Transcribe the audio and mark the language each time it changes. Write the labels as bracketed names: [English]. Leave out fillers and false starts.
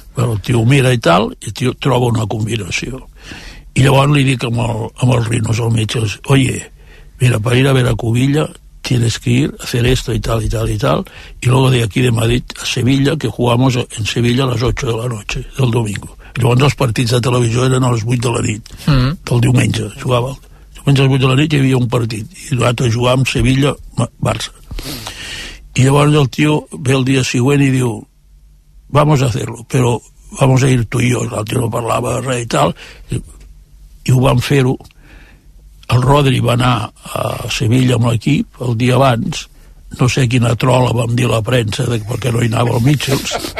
[Catalan] Però el tio mira i tal i el tio troba una combinació, i llavors li dic amb el Rinos, al metge, [Spanish] oye, mira, per ir a veure Cubilla tienes que ir a hacer esto y tal y tal y tal, y luego de aquí de Madrid a Sevilla, que jugamos en Sevilla a les 8 de la noche del domingo. [Catalan] Llavors els partits de televisió eren a les 8 de la nit del diumenge, jugava el diumenge a les 8 de la nit, hi havia un partit i l'altre jugava amb Sevilla-Barça. I llavors el tio ve el dia següent i diu, [Spanish] vamos a hacerlo, pero vamos a ir tú y yo. [Catalan] L'altre no parlava res i tal, i ho van fer-ho. El Rodri va anar a Sevilla amb l'equip el dia abans, no sé quina trola vam dir a la premsa perquè no hi anava el Mitchells,